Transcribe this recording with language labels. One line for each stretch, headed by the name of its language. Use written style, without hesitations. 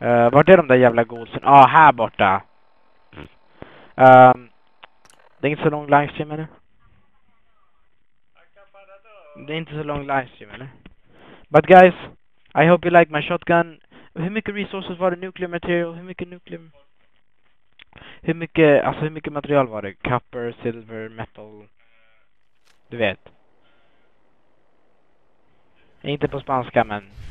Swedish: Vart är de där jävla godsen? Ah, här borta! Det är inte så lång livestream ännu. Det är inte så lång livestream ännu.
English: But guys, I hope you like my shotgun.
Swedish: Hur mycket resources var det? Nuclear material? Hur mycket nuclear... Hur mycket, alltså hur mycket material var det?
English: Copper, silver, metal...
Swedish: Du vet. Inte på spanska, men...